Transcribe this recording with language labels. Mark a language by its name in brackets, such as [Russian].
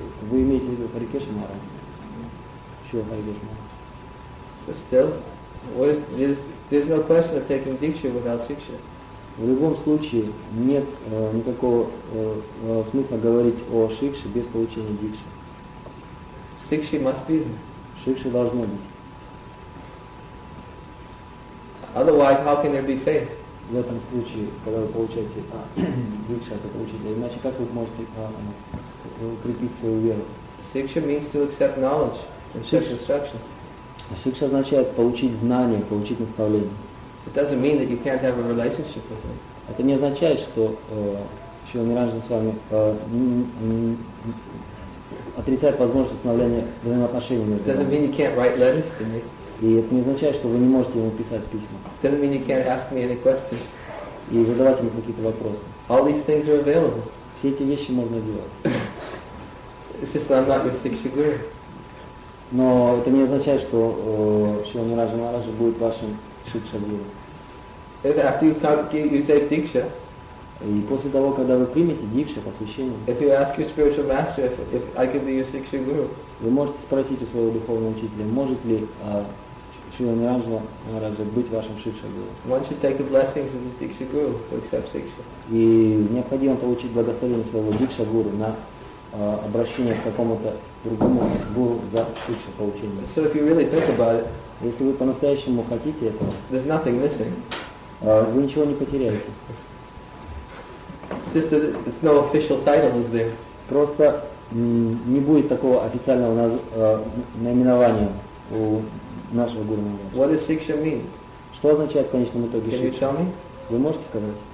[Russian] Вы имеете в виду Hare Krishna Maharaj? [English] Sure, Hare Krishna Maharaj. But still, there's no question of taking diksha without siksha. [Russian] В любом случае, нет никакого смысла говорить о шикше без получения дикши. [English] Сикши must be there. [Russian] Шикши должно быть. [English] Otherwise, how can there be faith? [Russian] В этом случае, когда вы получаете дикша, это получите. Иначе как вы можете укрепить свою веру? [English] Сикша means to accept knowledge and seek instructions. [Russian] Сикша означает получить знания, получить наставление. [English] It doesn't mean that you can't have a relationship with him. [Russian] Это не означает, что Шрила Ниранджан с вами отрицает возможность установления взаимоотношений между вами. [English] It doesn't mean you can't write letters to me. [Russian] И это не означает, что вы не можете ему писать письма. [English] It doesn't mean you can't ask me any questions. [Russian] И задавать ему какие-то вопросы. [English] All these things are available. [Russian] Все эти вещи можно делать. [English] It's just that I'm not your siksha guru. [Russian] Но это не означает, что Шрила Ниранджан Махарадж будет вашим шикша гуру. [English] If after you take diksha, [Russian] и после того, когда вы примете дикшу, посвящение, [English] if you ask your spiritual master if I can be your siksha guru, [Russian] вы можете спросить у своего духовного учителя, может ли Шрила Ниранджан Махарадж быть вашим шикша гуру. [English] One should take the blessings of his diksha guru to accept siksha. [Russian] И необходимо получить благословение своего дикша гуру на обращение к какому-то другому гуру за шикша получение. [English] So if you really think about it, [Russian] если вы по-настоящему хотите этого, [English] there's nothing missing. [Russian] Вы ничего не потеряете. [English] It's just that it's no official title is there. [Russian] Просто не будет такого официального наименования у нашего гуру. [English] What does siksha mean? [Russian] Что означает в конечном итоге [English] siksha? Can you tell me? [Russian] Вы можете сказать?